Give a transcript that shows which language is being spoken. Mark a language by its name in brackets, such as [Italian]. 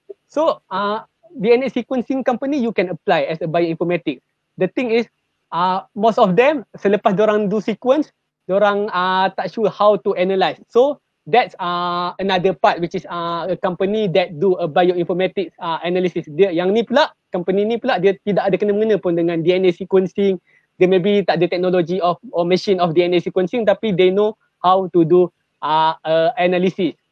[English] So DNA sequencing company, you can apply as a bioinformatic. The thing is, most of them, [Malay] selepas diorang [English] do sequence, [Malay] diorang tak [English] sure how to analyze. So, that's another part, which is a company that do a bioinformatics analysis. [Malay] Dia, yang ni pula, company ni pula, dia tidak ada kena-mengena pun dengan DNA sequencing. Dia maybe tak ada technology of or machine of DNA sequencing, tapi they know how to do analysis.